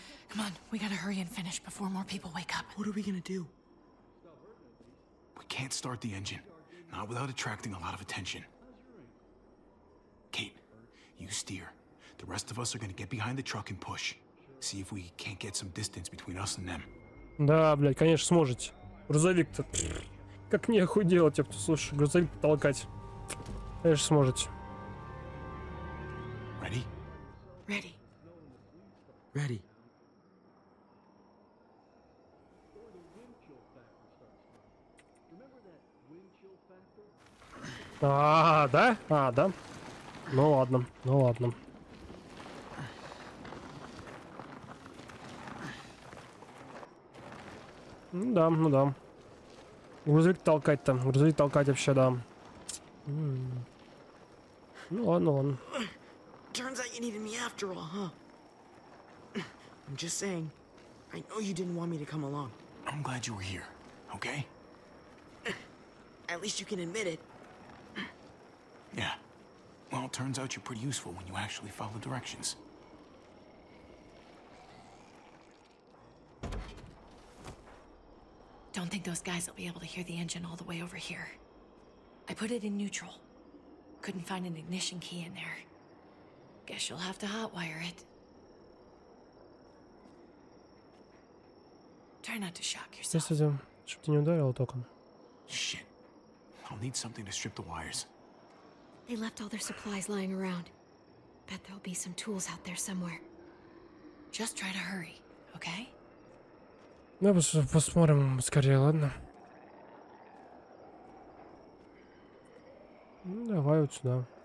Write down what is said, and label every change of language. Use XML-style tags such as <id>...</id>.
<en>Come on, we gotta hurry and finish before more people wake up. What are we gonna do? Can't start the engine, not without attracting a lot of attention. Kate, you steer. The rest of us are gonna get behind the truck and push. See if we can't get some distance between us and them.</en> <ru>Да, блять, конечно сможете. Грузовик-то, пфф, как мне хуй делать, я слушай, грузовик толкать. Конечно сможете.</ru> <en>Ready? Ready. Ready.</en> <ru>А, да? Ну ладно, ну ладно. Ну да, ну да. Грузовик толкать-то, грузовик толкать вообще, да. Ну ладно, ладно.</ru> <en>Turns out you needed me after all, huh? I'm just saying, I know you didn't want me to come along. I'm glad you were here, okay? At least you can admit it. Yeah. Well, it turns out you're pretty useful when you actually follow directions. Don't think those guys will be able to hear the engine all the way over here. I put it in neutral. Couldn't find an ignition key in there. Guess you'll have to hotwire it. Try not to shock yourself. This is him.</en> <ru>Чтобы ты не ударил током.</ru> <en>Shit. I'll need something to strip the wires. They left all their supplies lying around. Bet there'll be some tools out there somewhere. Just try to hurry, okay?</en> <ru>Ну, посмотрим скорее, ладно? Ну, давай вот сюда.</ru>